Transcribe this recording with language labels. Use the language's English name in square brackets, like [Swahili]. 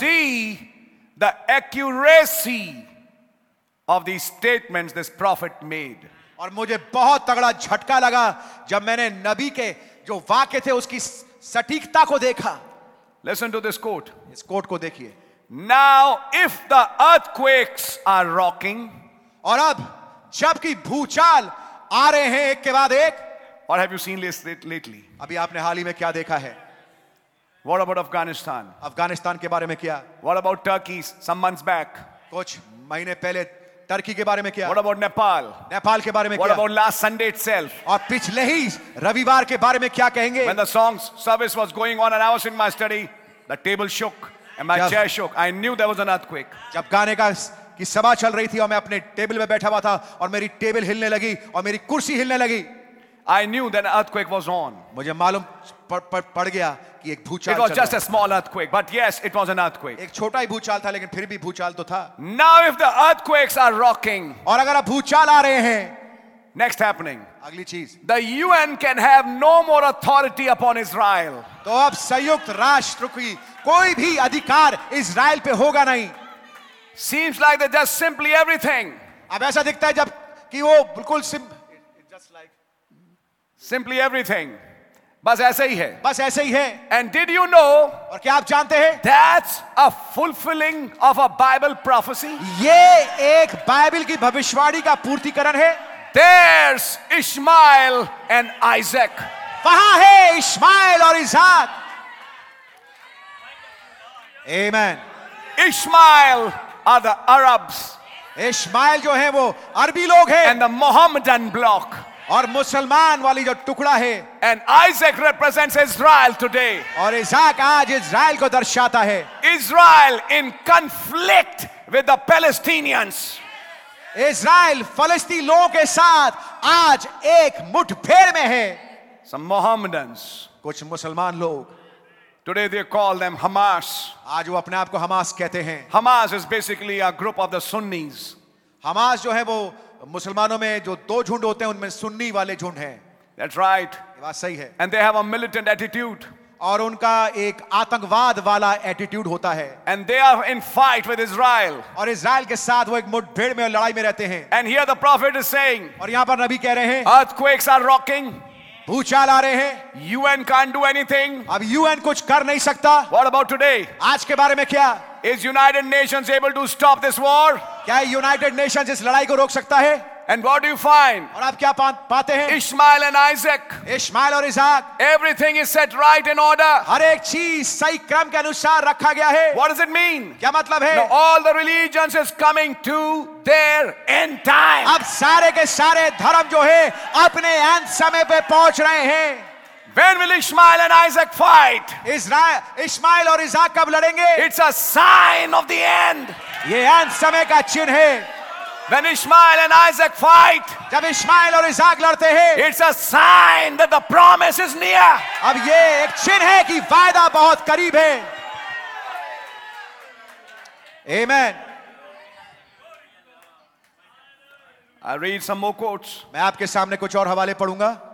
[English] सी The accuracy of these statements this prophet made. [Hindi] और मुझे बहुत तगड़ा झटका लगा जब मैंने नबी के जो वाक्य थे उसकी सटीकता को देखा. [English] Listen to this quote. [Hindi] इस quote को देखिए. [English] Now, if the earthquakes are rocking, [Hindi] और अब जबकि भूचाल आ रहे हैं एक के बाद एक. [English] Or have you seen this lately? [Hindi] अभी आपने हाल ही में क्या देखा है? [English] What about Afghanistan? [Hindi] Afghanistan के बारे में क्या? [English] What about Turkey? Some months back. [Hindi] कुछ महीने पहले तुर्की के बारे में क्या? [English] What about Nepal? [Hindi] नेपाल के बारे में [English] What [Hindi] क्या? [English] What about last Sunday itself? [Hindi] और पिछले ही रविवार के बारे में क्या कहेंगे? [English] When the songs service was going on and I was in my study, the table shook and my chair shook. I knew there was an earthquake. [Hindi] जब गाने की सभा चल रही थी और मैं अपने टेबल में बैठा हुआ था और मेरी टेबल हिलने लगी और मेरी कुर्सी हिलने लगी. [English] I knew that an earthquake was on. [Hindi] मुझे मालूम पड़ गया कि एक भूचाल. [English] It was just a small earthquake, but yes, it was an earthquake. [Hindi] एक छोटा ही भूचाल था, लेकिन फिर भी भूचाल तो था. [English] Now, if the earthquakes are rocking, [Hindi] और अगर अब भूचाल आ रहे हैं, [English] next happening, [Hindi] अगली चीज, [English] the UN can have no more authority upon Israel. [Hindi] तो अब संयुक्त राष्ट्र की कोई भी अधिकार इज़राइल पे होगा नहीं. [English] Seems like they're just simply everything. [Hindi] अब ऐसा दिखता है जब कि वो बिल्कुल [English] simply everything. [Hindi] बस ऐसे ही है. बस ऐसे ही है. [English] And did you know? [Hindi] और क्या आप जानते हैं? [English] That's a fulfilling of a Bible prophecy. [Hindi] ये एक बाइबल की भविष्यवाणी का पूर्तिकरण है. [English] There's Ishmael and Isaac. [Hindi] वहाँ है इश्माइल और इसहाक. [English] Amen. Ishmael are the Arabs. [Hindi] Ishmael जो है वो अरबी लोग हैं. [English] And the Mohammedan block. [Hindi] और मुसलमान वाली जो टुकड़ा है. [English] And Isaac represents Israel today. [Hindi] और इसहाक आज इज़राइल को दर्शाता है. [English] Israel in conflict with the Palestinians. [Hindi] Israel फलस्ती लोगों के साथ आज एक मुठभेड़ में है. [English] Some Mohammedans. [Hindi] कुछ मुसलमान लोग. [English] Today they call them Hamas. [Hindi] आज वो अपने आप को हमास कहते हैं. [English] Hamas is basically a group of the Sunnis. [Hindi] Hamas जो है वो मुसलमानों में जो दो झुंड होते हैं उनमें सुन्नी वाले झुंड हैं. [English] That's right. [Hindi] ये बात सही है. [English] And they have a militant attitude. [Hindi] और उनका एक आतंकवाद वाला एटीट्यूड होता है. [English] And they are in fight with Israel. [Hindi] और इज़राइल के साथ वो एक मुठभेड़ में और लड़ाई में रहते हैं. [English] And here the prophet is saying. [Hindi] और यहाँ पर नबी कह रहे हैं. [English] Earthquakes are rocking. [Hindi] भूचाल आ रहे हैं. [English] UN can't do anything. [Hindi] अब UN कुछ कर नहीं सकता. [English] What about today? [Hindi] आज के बारे में क्या? [English] Is United Nations able to stop this war? [Hindi] क्या United Nations इस लड़ाई को रोक सकता है? [English] And what do you find? [Hindi] और आप क्या पाते हैं? [English] Ishmael and Isaac. [Hindi] Ishmael और इसहाक. [English] Everything is set right in order. [Hindi] हर एक चीज सही क्रम के अनुसार रखा गया है. [English] What does it mean? [Hindi] क्या मतलब है? [English] Now all the religions is coming to their end time. [Hindi] अब सारे के सारे धर्म जो है अपने अंत समय पे पहुंच रहे हैं. [English] When will Ishmael and Isaac fight? [Hindi] Israel, Ishmael और इसहाक कब लड़ेंगे? [English] It's a sign of the end. [Hindi] ये अंत समय का चिन्ह है. [English] When Ishmael and Isaac fight, [Hindi] जब इश्माइल और इसहाक लड़ते हैं, [English] it's a sign that the promise is near. [Hindi] अब ये एक चिन्ह है कि वायदा बहुत करीब है. [English] Amen. I read some more quotes. [Hindi] मैं आपके सामने कुछ और हवाले पढ़ूंगा.